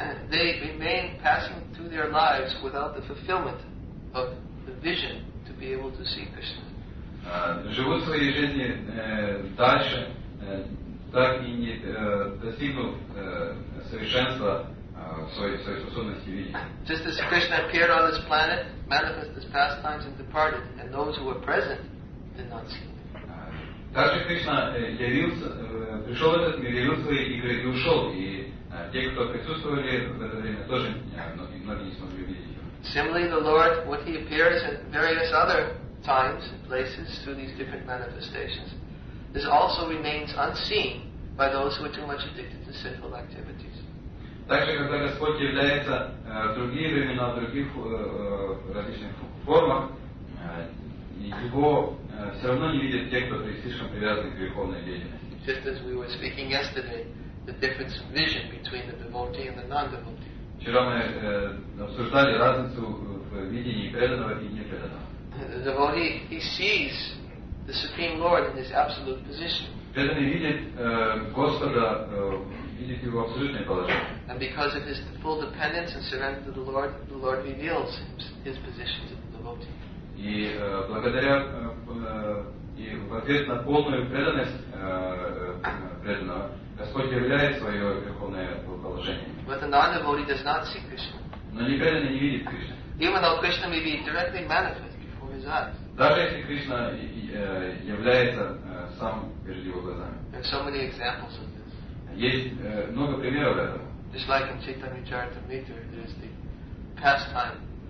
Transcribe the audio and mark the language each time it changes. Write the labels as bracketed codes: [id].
[en] They remain passing through their lives without the fulfillment of the vision to be able to see Krishna. [ru] Живут свои жизни дальше. так и не достигнув совершенства своей способности видеть. [en] Just as Krishna appeared on this planet, manifested his pastimes and departed, and those who were present did not see him. [ru] Также Кришна явился, пришел в этот мир, явил свои игры и ушел. И те, кто присутствовали в это время, тоже многие не смогли видеть его. [en] Similarly, the Lord, when he appears at various other times and places through these different manifestations, this also remains unseen by those who are too much addicted to sinful activities. [ru] Также, когда Господь является в другие времена, в других различных формах, его все равно не видят те, кто слишком привязан к греховной деятельности. [en] Just as we were speaking yesterday, the difference of vision between the devotee and the non-devotee. [ru] Вчера мы обсуждали разницу в видении преданного и непреданного. [en] The devotee, he sees the Supreme Lord in his absolute position. [ru] Преданный видит Господа, видит его абсолютное положение. [en] And because of his full dependence and surrender to the Lord reveals his position to the devotee. [ru] И благодаря и в ответ на полную преданность преданного Господь являет свое верховное положение. [en] But the non-devotee does not see Krishna. [ru] Но непреданный не видит Кришну. [en] Even though Krishna may be directly manifest before his eyes. [ru] Даже если Кришна является сам перед его глазами. [en] There are so many examples of this. [ru] Есть много примеров этого. [en] Just like in Chaitanya Charitamrita, there is the pastime